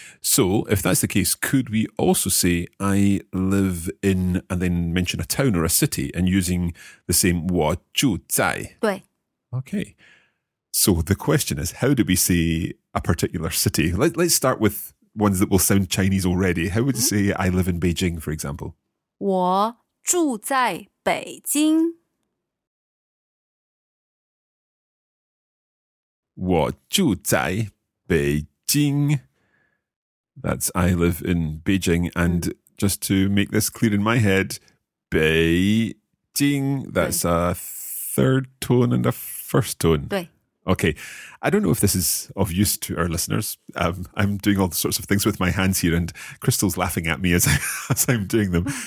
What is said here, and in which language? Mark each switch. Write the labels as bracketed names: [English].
[English] So, if that's the case, could we also say, I live in, and then mention a town or a city, and using the same 我住在。 [Chinese] 对。 [English] Okay. So the question is, how do we say a particular city? Let's start with ones that will sound Chinese already. How would you say I live in Beijing, for example? [Chinese] 我住在北京。我住在北京。 [English] That's I live in Beijing. And just to make this clear in my head, Beijing, that's a third tone and a first tone. Okay, I don't know if this is of use to our listeners. I'm doing all sorts of things with my hands here, and Crystal's laughing at me as I'm doing them.